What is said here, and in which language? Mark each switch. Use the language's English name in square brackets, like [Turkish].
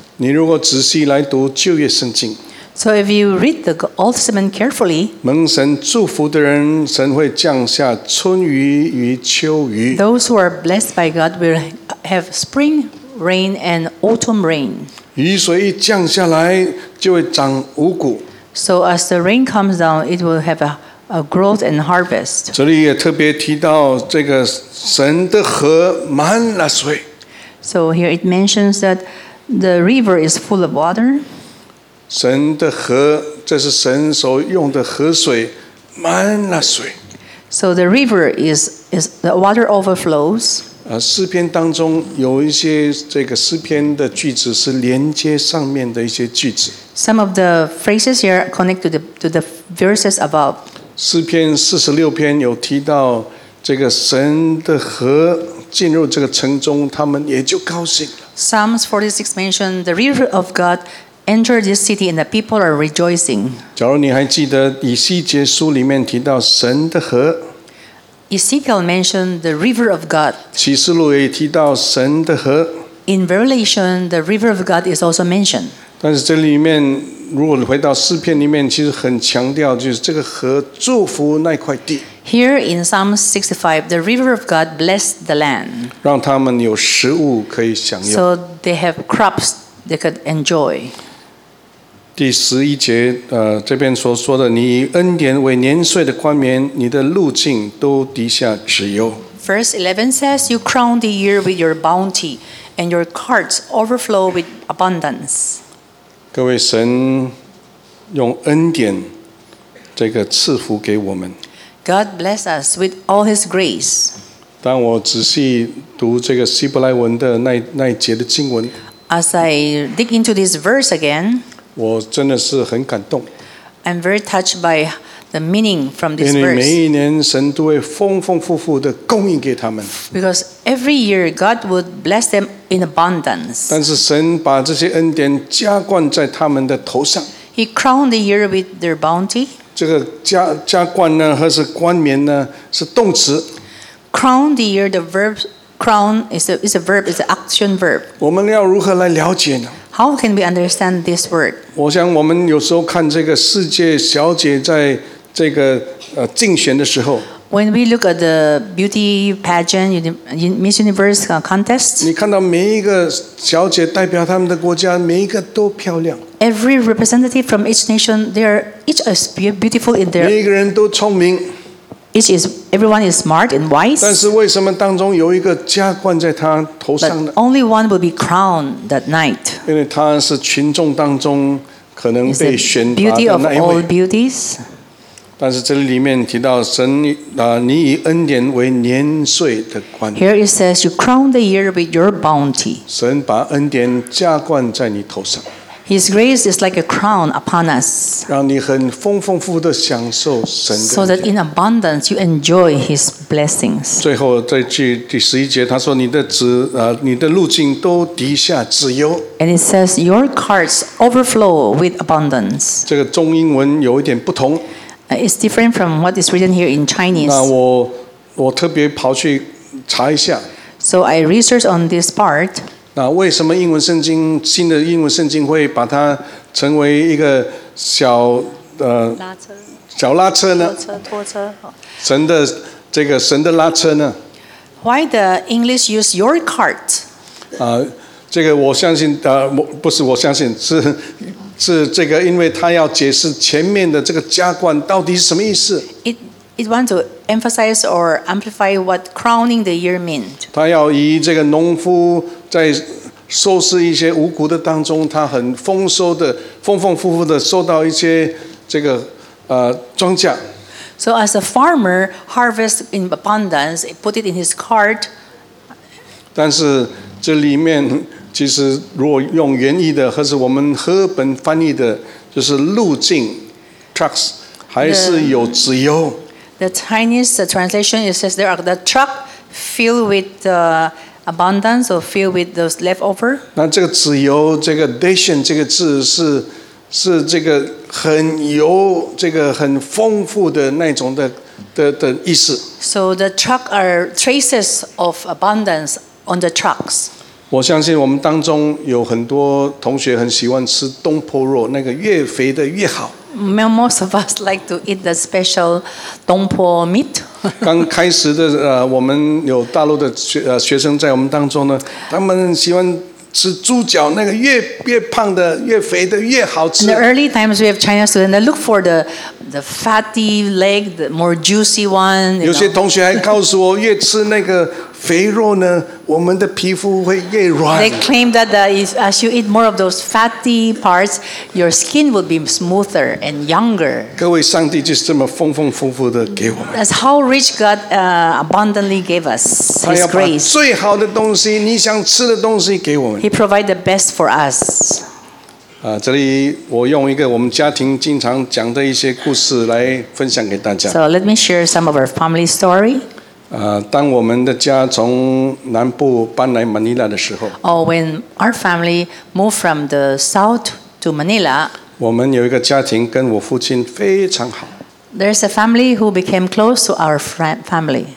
[Chinese] 你如果仔细来读旧约圣经 [English] So if you read the Old Testament carefully, [Chinese] 蒙神祝福的人，神会降下春雨与秋雨 [English] Those who are blessed by God will have spring rain and autumn rain. [Chinese] 雨水一降下来，就会长五谷 [English] So as the rain comes down, it will have a growth and harvest. [Chinese] 这里也特别提到这个神的河满了水。 [English] So here it mentions that the river is full of water. [Chinese] 神的河，这是神所用的河水，满了水。 [English] So the river is the water overflows. [Chinese] 诗篇当中有一些这个诗篇的句子是连接上面的一些句子。 [English] Some of the phrases here connect to the verses above. [Chinese] 诗篇46篇有提到这个神的河进入这个城中，他们也就高兴了。 [English] Psalms 46 mentioned the river of God entered this city, and the people are rejoicing. [Chinese] 假如你还记得以西结书里面提到神的河。 [English] Ezekiel mentioned the river of God. [Chinese] 启示录也提到神的河。 [English] In Revelation, the river of God is also mentioned. [Chinese] 但是这里面，如果你回到诗篇里面，其实很强调就是这个河祝福那块地。 [English] Here in Psalm 65, the river of God blessed the land. [Chinese] 让他们有食物可以享用。 [English] So they have crops they could enjoy. [Chinese] 第十一节，这边所说的，你以恩典为年岁的冠冕，你的路径都滴下脂油。 [English] Verse 11 says, "You crown the year with your bounty, and your carts overflow with abundance." [Chinese] 各位，神用恩典这个赐福给我们。 [English] God bless us with all His grace. [Chinese] 当我仔细读这个希伯来文的那一节的经文， [English] As I dig into this verse again, [Chinese] 我真的是很感动。 [English] I'm very touched by the meaning from this verse. [Chinese] 因为每一年神都会丰丰富富的供应给他们。 [English] Because every year God would bless them in abundance. [Chinese] 但是神把这些恩典加冠在他们的头上。 [English] He crowned the year with their bounty. [Chinese] 这个加冠呢，还是冠冕呢，是动词。 [English] Crown the year, the verb crown is a verb, is an action verb. [Chinese] 我们要如何来了解呢？ [English] How can we understand this word? [Chinese] 我想我们有时候看这个世界小姐在这个竞选的时候。 [English] When we look at the beauty pageant, Miss Universe contest, [Chinese] 你看到每一个小姐代表他们的国家，每一个都漂亮。 [English] Every representative from each nation, they are each as beautiful in their. [Chinese] 每一个人都聪明。 [English] Everyone is smart and wise. [Chinese] 但是为什么当中有一个加冠在他头上呢？ [English] But only one will be crowned that night. [Chinese] 因为他是群众当中可能被选拔的那一位。 [English] Is the beauty of all beauties. [Chinese] 但是这里面提到神你以恩典为年岁的冠。 [English] Here it says you crown the year with your bounty. [Chinese] 神把恩典加冠在你头上。 [English] His grace is like a crown upon us. [Chinese] 让你很丰丰富的享受神的。 [English] So that in abundance you enjoy His blessings. [Chinese] 最后这句第十一节，他说你的路径都滴下脂油。 [English] And it says your carts overflow with abundance. [Chinese] 这个中英文有一点不同。 [English] It's different from what is written here in Chinese. [Chinese] 那我特别跑去查一下。 [English] So I researched on this part. [Chinese] 为什么英文圣经新的英文圣经会把它成为一个小小拉车呢？拖车。神的这个神的拉车呢 [English] ？Why the English use your cart？ [Chinese] 这个我相信不是我相信是这个，因为他要解释前面的这个加冠到底是什么意思。 [English] It want to emphasize or amplify what crowning the year meant. [Chinese] 他要以这个农夫在收拾一些五谷的当中，他很丰收的、丰丰富富的收到一些这个庄稼。 [English] So as a farmer harvest in abundance, put it in his cart. [Chinese] 但是这里面其实如果用原意的，或是我们和本翻译的，就是路径 trucks 还是有脂油。 [English] The Chinese translation it says there are the truck filled with abundance or filled with those leftover. [Chinese] 那这个脂油，这个 dashen 这个字是这个很油，这个很丰富的那种的意思。 [English] So the truck are traces of abundance on the trucks. [Chinese] 我相信我们当中有很多同学很喜欢吃东坡肉，那个越肥的越好。 [English] Most of us like to eat the special Dongpo meat. [Chinese] 刚开始的我们有大陆的学生在我们当中呢，他们喜欢吃猪脚，那个越胖的、越肥的越好吃。 [English] In the early times, we have Chinese students that look for the fatty leg, the more juicy one. [Chinese] 有些同学还告诉我，越吃那个肥肉呢，我们的皮肤会越软。 [English] They claim that as you eat more of those fatty parts, your skin will be smoother and younger. [Chinese] 各位，上帝就是这么丰丰富富的给我们。 [English] That's how rich God abundantly gave us His grace. [Chinese] 他要把最好的东西，你想吃的东西给我们。 [English] He provide the best for us. [Chinese] 这里我用一个我们家庭经常讲的一些故事来分享给大家。 [English] So let me share some of our family story. [Chinese] 当我们的家从南部搬来马尼拉的时候 [English] ，Oh, when our family moved from the south to Manila, [Chinese] 我们有一个家庭跟我父亲非常好。 [English] There's a family who became close to our family.